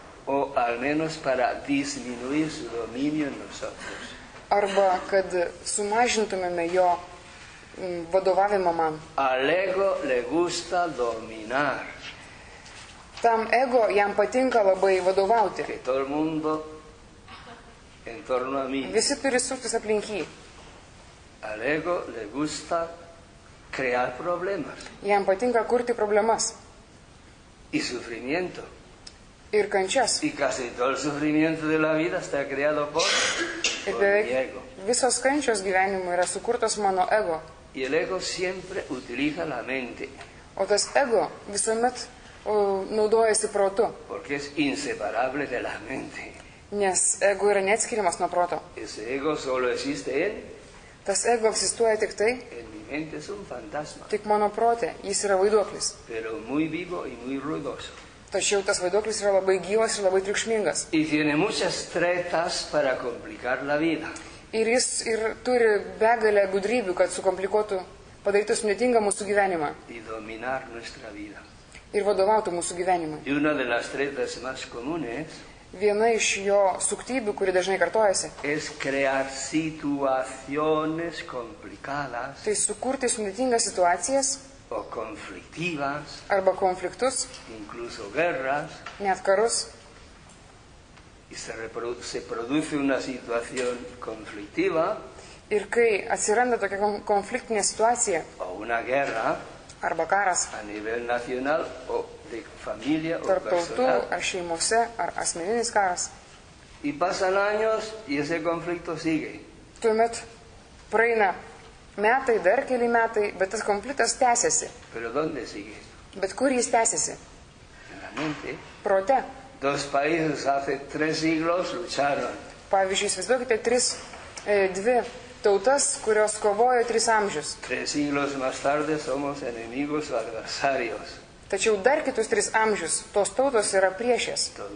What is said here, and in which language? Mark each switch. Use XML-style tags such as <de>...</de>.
<es>O al menos para disminuir su dominio en nosotros.</es> <lt>Arba kad sumažintumėme jo vadovavimą man.</lt> <es>Al ego le gusta dominar.</es> <lt>Tam ego jam patinka labai vadovauti.</lt> <es>Que todo el mundo en torno a mí.</es> <lt>Visi turi suktis aplink jį.</lt> <es>Al ego le gusta crear problemas.</es> <lt>Jam patinka kurti problemas.</lt> <es>Y sufrimiento.</es> <lt>Ir kančias.</lt> <es>Y casi todo el sufrimiento de la vida está creado por mi ego.</es> <lt>Visos kančios gyvenimo yra sukurtos mano ego.</lt> <es>Y el ego siempre utiliza la mente.</es> <lt>O tas ego visuomet naudojasi protu.</lt> <es>Porque es inseparable de la mente.</es> <lt>Nes ego yra neatskiriamas nuo proto.</lt> <es>Ese ego solo existe en.</es> <lt>Tas ego egzistuoja tik tai.</lt> <es>En mi mente es un fantasma.</es> <lt>Tik mano prote, jis yra vaiduoklis.</lt> <es>Pero muy vivo y muy ruidoso.</es> <lt>Tačiau tas vaiduoklis yra labai gyvas ir labai triukšmingas.</lt> <es>Y tiene muchas tretas para complicar la vida.</es> <lt>Ir jis ir turi begalę gudrybių, kad sukomplikuotų, padarytų sudėtingą mūsų gyvenimą.</lt> <es>Y dominar nuestra vida.</es> <lt>Ir vadovautų mūsų gyvenimui.</lt> <es>Y una de las tretas más comunes.</es> <lt>Viena iš jo suktybių, kuri dažnai kartojasi.</lt> <es>Es crear situaciones complicadas.</es> <lt>Tai sukurti sudėtingas situacijas.</lt> <es>O conflictivas.</es> <lt>Arba conflictus.</lt> <es>Incluso guerras.</es> <lt>Net karus.</lt> <es>Y se produce una situación conflictiva.</es> <lt>Ir kai atsiranda tokia konfliktinė situacija.</lt> <es>O una guerra.</es> <lt>Arba karas.</lt> <es>A nivel nacional o de familia o personal.</es> <lt>Tarp tautų, ar šeimose, ar asmeninis karas.</lt> <es>Y pasan años y ese conflicto sigue.</es> <lt>Tuomet praeina metai, dar keli metai, bet tas konfliktas tęsiasi.</lt> <es>Pero donde sigue?</es> <lt>Bet kur jis tęsiasi? Praktiškai. Prote.</lt> <es>Dos países hace tres siglos lucharon.</es> <lt>Pavyzdžiui, įsivaizduokite, dvi tautas, kurios kovojo tris amžius.</lt> <es>Tres siglos más tarde somos enemigos o adversarios.</es> <lt>Tačiau dar kitus tris amžius tos tautos yra priešės.</lt>